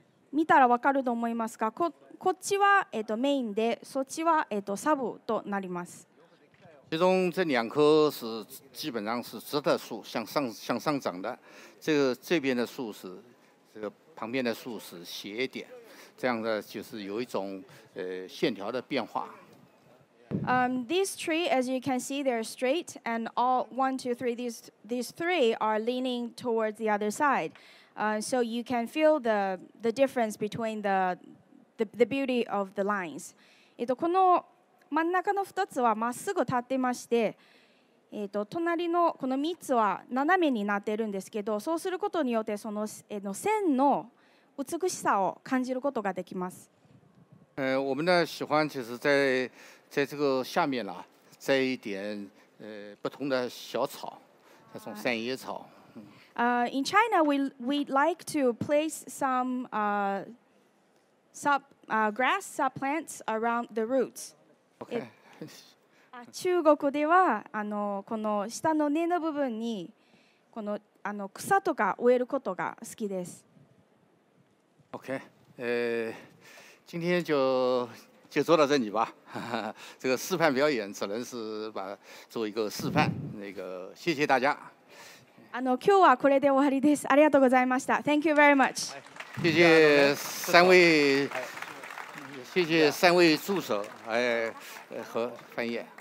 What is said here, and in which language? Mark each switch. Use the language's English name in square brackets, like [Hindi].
[Japanese] 見たら分かると思いますが、こっちはメインで、そっちはサブとなります。 [Chinese] 其中这两棵是基本上是直的树，向上长的。这边的树是这个旁边的树是斜一点，这样的就是有一种线条的变化。 [English] This tree, as you can see, they're straight, and all one, two, three, these three are leaning towards the other side. So you can feel the difference between the beauty of the lines. [Japanese] この真ん中の2つはまっすぐ立ってまして、隣のこの3つは斜めになっているんですけど、そうすることによってその線の美しさを感じることができます。 [Chinese] 我们呢喜欢其实在在这个下面啦，摘一点不同的小草，那种三叶草。 [English] In China, we like to place some grass sub plants around the roots. Okay. [Japanese] 中国ではこの下の根の部分にこの草とか植えることが好きです。 [English] Okay. [Chinese] 今天就坐到这里吧，这个示范表演只能是把做一个示范。那个，谢谢大家。 [Japanese] 今日はこれで終わりです。ありがとうございました。 [English] Thank you very much。 [Chinese] 谢谢三位，谢谢三位助手，和翻译。